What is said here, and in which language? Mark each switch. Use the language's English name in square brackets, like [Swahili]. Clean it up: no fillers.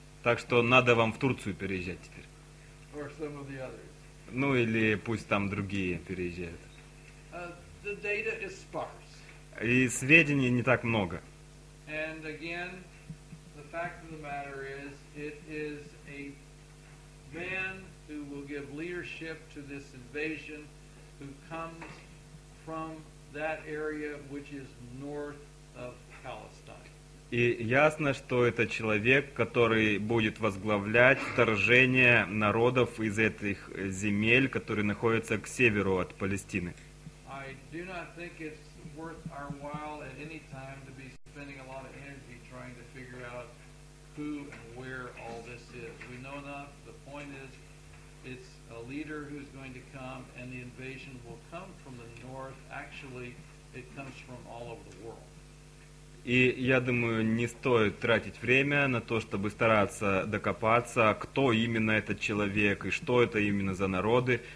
[Russian] Так что надо вам в Турцию переезжать теперь. [English] Or some of the others. [Russian] Ну или пусть там другие переезжают. [English] The data is sparse. [Russian] И сведений не так много. [English] And again, the fact of the matter is, it is a man who will give leadership to this invasion, who comes from that area which is north of Palestine. [Russian] И ясно, что это человек, который будет возглавлять вторжение народов из этих земель, которые находятся к северу от Палестины. [English] I do not think it's worth our while at any time to be spending a lot of energy trying to figure out who and where all this is. We know enough. The point is, it's a leader who's going to come, and the invasion will come from the north. Actually, it comes from all over the world. [Russian] И я думаю, не стоит тратить время на то, чтобы стараться докопаться, кто именно этот человек и что это именно за народы.